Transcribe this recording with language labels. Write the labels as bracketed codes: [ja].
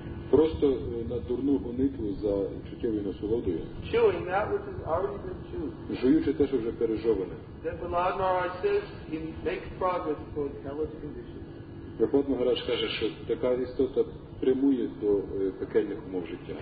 [uk] Просто на дурну гонитву за чуттєвою насолодою. [en] Chewing that which has already been chewed. [uk] Жуючи те, що вже пережоване. [en] Then Prahlad Maharaj says he makes progress toward hellish conditions. [uk] Прохлад Махарадж каже, що така істота прямує до пекельних умов життя.